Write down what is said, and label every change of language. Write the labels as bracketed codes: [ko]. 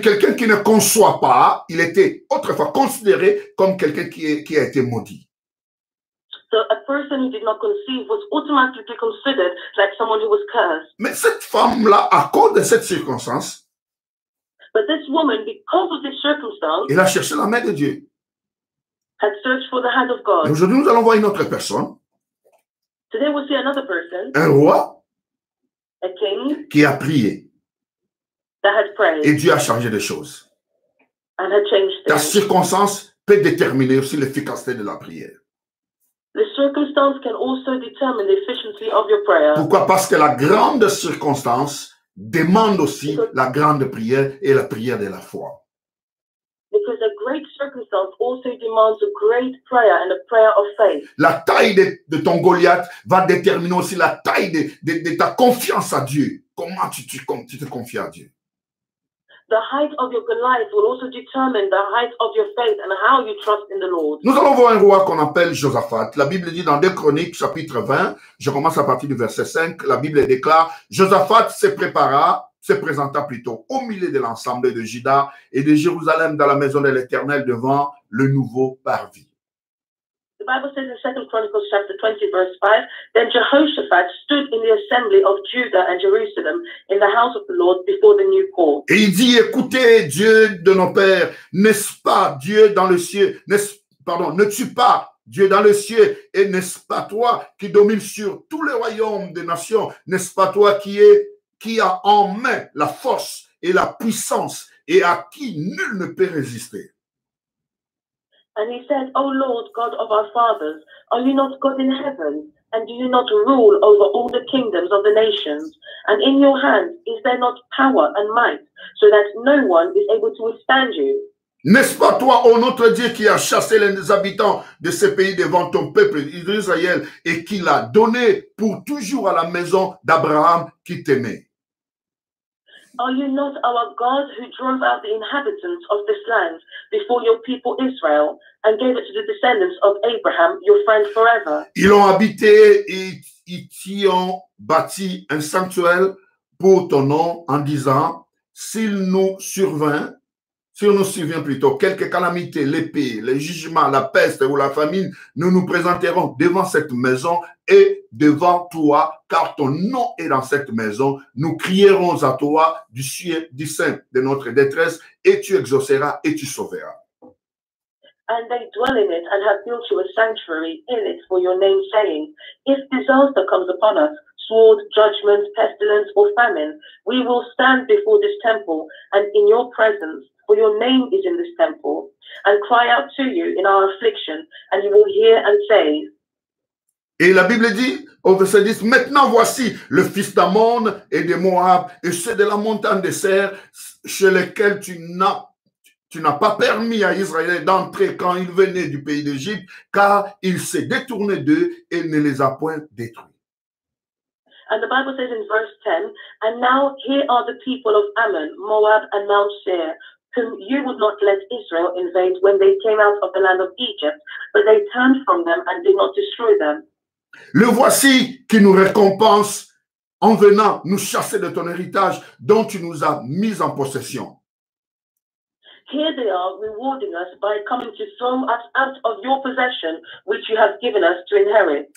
[fr] quelqu'un qui ne conçoit pas, il était autrefois considéré comme quelqu'un qui a été maudit. [en] So a person who did not conceive was automatically considered like someone who was cursed. [fr] Mais cette femme-là, à cause de cette circonstance, [en] but this woman, because of this circumstance, [fr] elle a cherché la main de Dieu. [en] Had searched for the hand of God. [fr] Et aujourd'hui, nous allons voir une autre personne. [en] Today we'll see another person. [fr] Un roi. [en] A king [fr] qui a prié. [en] That had prayed. [fr] Et Dieu a changé les choses. [en] And had changed things. [fr] Ta circonstance peut déterminer aussi l'efficacité de la prière. [en] The circumstance can also determine the efficiency of your prayer. [fr] Pourquoi? Parce que la grande circonstance demande aussi la grande prière et la prière de la foi. [en] Because a great circumstance also demands a great prayer and a prayer of faith. [fr] La taille de ton Goliath va déterminer aussi la taille de ta confiance à Dieu. Comment tu te confies à Dieu? [en] The height of your Goliath will also determine the height of your faith and how you trust in the Lord. [fr] Nous allons voir un roi qu'on appelle Josaphat. La Bible dit dans 2 Chroniques chapitre 20, je commence à partir du verset 5, la Bible déclare, Josaphat se présenta plutôt au milieu de l'ensemble de Juda et de Jérusalem dans la maison de l'Éternel devant le nouveau parvis. [en] The Bible says in 2 Chronicles chapter 20 verse 5, then Jehoshaphat stood in the assembly of Judah and Jerusalem in the house of the Lord before the new court. [fr] Et il dit, écoutez, Dieu de nos pères, n'est-ce pas Dieu dans le ciel, ne-tu pas Dieu dans le ciel, et n'est-ce pas toi qui domines sur tous les royaumes des nations, n'est-ce pas toi qui a en main la force et la puissance et à qui nul ne peut résister. [en] And he said, O Lord, God of our fathers, are you not God in heaven? And do you not rule over all the kingdoms of the nations? And in your hands is there not power and might, so that no one is able to withstand you? [fr] N'est-ce pas toi, ô notre Dieu, qui a chassé les habitants de ce pays devant ton peuple Israël et qui l'a donné pour toujours à la maison d'Abraham qui t'aimait? [en] Are you not our God who drove out the inhabitants of this land before your people Israel and gave it to the descendants of Abraham, your friend forever? [fr] Ils ont habité et ils t'y ont bâti un sanctuaire pour ton nom en disant, s'il nous survient plutôt quelques calamités, l'épée, les jugements, la peste ou la famine, nous nous présenterons devant cette maison et devant toi, car ton nom est dans cette maison. Nous crierons à toi du sein de notre détresse et tu exauceras et tu sauveras. [en] And they dwell in it and have built you a sanctuary in it for your name, saying, if disaster comes upon us, sword, judgment, pestilence or famine, we will stand before this temple and in your presence, for your name is in this temple, and cry out to you in our affliction, and you will hear and say. [fr] Et la Bible dit, au verset 10, maintenant voici le fils d'Ammon et de Moab, et ceux de la montagne des Serres, chez lesquels tu n'as pas permis à Israël d'entrer quand ils venaient du pays d'Égypte, car il s'est détourné d'eux et ne les a point détruits. [en] And the Bible says in verse 10, and now here are the people of Ammon, Moab, and Mount Seir, whom you would not let Israel invade when they came out of the land of Egypt, but they turned from them and did not destroy them. [fr] Le voici qui nous récompense en venant nous chasser de ton héritage dont tu nous as mis en possession. [en] Here they are rewarding us by coming to throw us out of your possession, which you have given us to inherit.